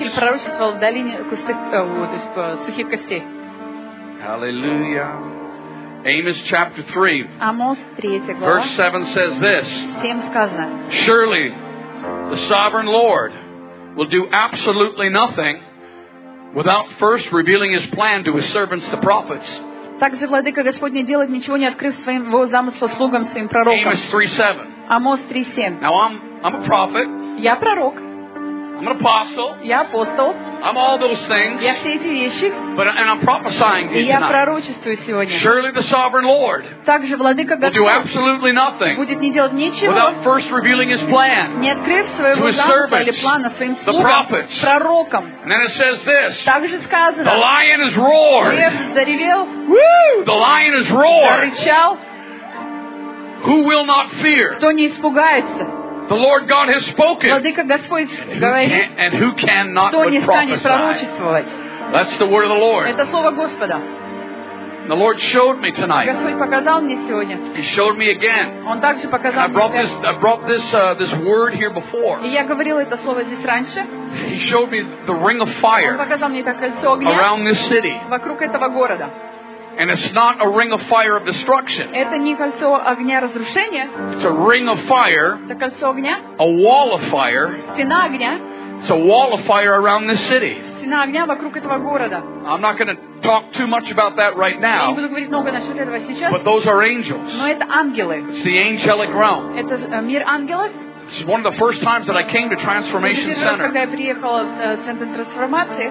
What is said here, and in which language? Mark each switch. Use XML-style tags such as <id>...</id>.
<en>Hallelujah. Amos chapter 3, verse 7 says this: surely the sovereign Lord will do absolutely nothing without first revealing his plan to his servants the prophets.</en> <ru>Также Владыка Господь не делает ничего, не открыв своего замысла слугам своим пророкам.</ru> <en>Amos 3:7. Now I'm a prophet.</en> <ru>Я пророк.</ru> <en>I'm an apostle.</en> <ru>Я апостол.</ru> <en>I'm all those things.</en> <ru>Я все эти вещи.</ru> <en>But I'm prophesying to you tonight.</en> <ru>Я пророчествую сегодня.</ru> <en>Surely the sovereign Lord.</en> <ru>Также Владыка Господь.</ru> <en>Will do absolutely nothing.</en> <ru>Будет не делать ничего.</ru> <en>Without first revealing his plan.</en> <ru>Не открыв своего замысла или плана своим слугам.</ru> <en>The prophets.</en> <ru>Пророкам.</ru> <en>And then it says this.</en> <ru>Также сказано.</ru> <en>The lion has roared.</en> <ru>Лев заревел.</ru> <en>Woo! The lion has roared.</en> <ru>Зарычал.</ru> <en>Who will not fear?</en> <ru>Кто не испугается?</ru> <en>The Lord God has spoken.</en> <ru>Владыка Господь говорит.</ru> <en>And who cannot but prophesy?</en> <ru>Кто не станет пророчествовать?</ru> <en>That's the word of the Lord.</en> <ru>Это слово Господа.</ru> <en>The Lord showed me tonight.</en> <ru>Господь показал мне сегодня.</ru> <en>He showed me again.</en> <ru>Он также показал мне.</ru> <en>I brought this word here before.</en> <ru>И я говорил это слово здесь раньше.</ru> <en>He showed me the ring of fire.</en> <ru>Он показал мне это кольцо огня.</ru> <en>Around this city.</en> <ru>Вокруг этого города.</ru> <en>And it's not a ring of fire of destruction.</en> <ru>Это не кольцо огня разрушения.</ru> <en>It's a ring of fire.</en> <ru>Это кольцо огня.</ru> <en>A wall of fire.</en> <ru>Стена огня.</ru> <en>It's a wall of fire around this city.</en> <ru>Стена огня вокруг этого города.</ru> <en>I'm not going to talk too much about that right now.</en> <ru>Я не буду говорить много насчет этого сейчас.</ru> <en>But those are angels.</en> <ru>Но это ангелы.</ru> <en>It's the angelic realm.</en> <ru>Это мир ангелов.</ru> <en>It's one of the first times that I came to Transformation Center.</en> <ru>Когда я приехала в центр трансформации.</ru>